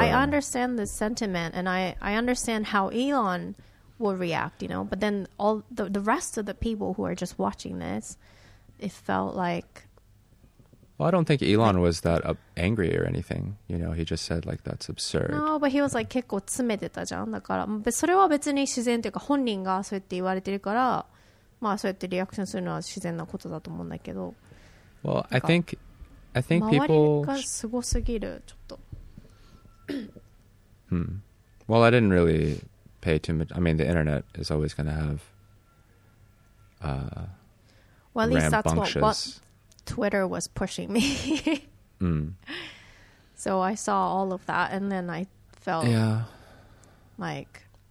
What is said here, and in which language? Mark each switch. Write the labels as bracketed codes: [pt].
[en] I understand the sentiment, and I understand how Elon will react, you know? But then all the rest of the people who are just watching this, it felt like... Well, I don't think Elon was that angry or anything. You know, he just said, like, that's absurd. No, but he was, like, [ja] 結構詰めてたじゃん。だから、それは別に自然というか、本人がそうやって言われてるから、まあ、そうやってリアクションするのは自然なことだと思うんだけど。 [en] Well, I think people... [ja] 周りがすごすぎる、ちょっと。 [en] Well, I didn't really pay too much... I mean, the internet is always going to have... Well, at least that's what... Twitter was pushing me. So I saw all of that, and then I felt like